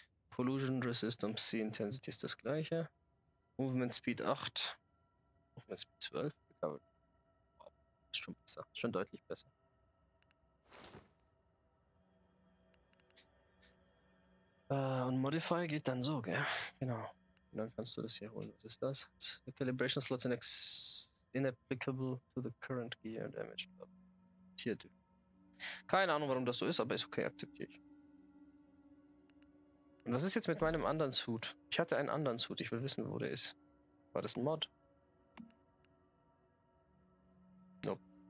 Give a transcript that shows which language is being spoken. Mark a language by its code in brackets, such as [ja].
[de] Pollution Resistance C Intensity ist das gleiche. Movement Speed 8. Movement Speed 12. Aber ist schon besser. Schon deutlich besser. Und Modify geht dann so, gell? Genau. Und dann kannst du das hier holen. Was ist das? [en] The calibration slots are inapplicable to the current gear damage. [de] Hier, du. Keine Ahnung, warum das so ist, aber ist okay, akzeptiere ich. Und was ist jetzt mit meinem anderen Suit? Ich hatte einen anderen Suit, ich will wissen, wo der ist. War das ein Mod? Nope.